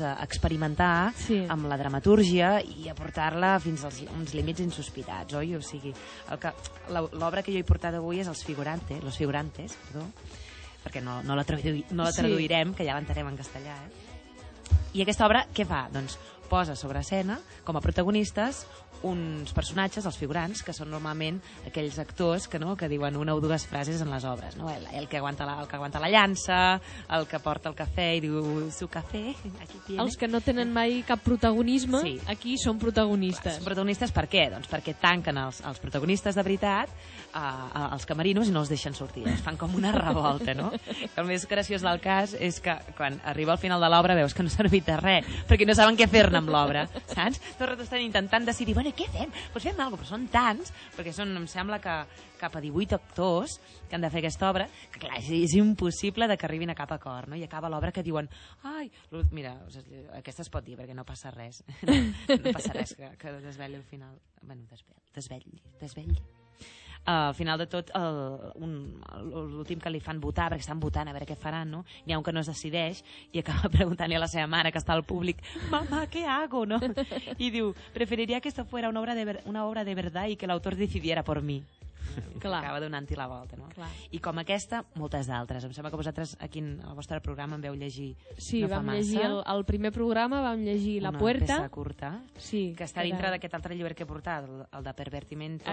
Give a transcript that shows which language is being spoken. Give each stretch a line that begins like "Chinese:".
Catalan: A experimentar amb la dramatúrgia i a portar-la fins als uns límits insospitats, oi? O sigui, l'obra que jo he portat avui és Los Figurantes, perdó, perquè no la traduirem, que ja l'entarem en castellà, I aquesta obra, què fa? Doncs posa sobre escena, com a protagonistes, uns personatges, els figurants, que són normalment aquells actors que diuen una o dues frases en les obres, no? El que aguanta la llança, el que porta el cafè i diu
Spanish: su café, aquí tiene.
Catalan: Els que no tenen mai cap protagonisme, sí. Aquí són protagonistes. Són protagonistes per què? Doncs perquè tanquen els protagonistes de veritat als camerinos i no els deixen sortir. Els fan com una revolta, no? El més graciós del cas és que quan arriba al final de l'obra veus que no servit de res, perquè no saben què fer-ne amb l'obra, saps? Tot el rato estan intentant decidir i, bueno, què fem? Pues fem alguna cosa, però són tants, perquè són, em sembla, que cap a 18 actors que han de fer aquesta obra, que, clar, és impossible que arribin a cap acord, no? I acaba l'obra que diuen, ai, mira, aquesta es pot dir, perquè no passa res. No passa res que desvelli al final. Bueno, desvelli. Al final de tot, l'últim que li fan votar, perquè estan votant a veure què faran, no? N'hi ha un que no es decideix i acaba preguntant-li a la seva mare, que està al públic,
Spanish: mama, ¿qué hago?,
Catalan: no? I diu,
Spanish: preferiria que esto fuera una obra de verdad y que l'autor decidiera por mí.
Catalan: Clar. Acaba donant-hi la volta, no? Clar. I com aquesta, moltes d'altres. Em sembla que vosaltres aquí al vostre programa en veu llegir sí, no fa massa. Sí, vam llegir el primer programa, vam llegir La una Puerta. Una peça curta. Sí. Que està dintre d'aquest altre llibre que he portat, el de Pervertimento.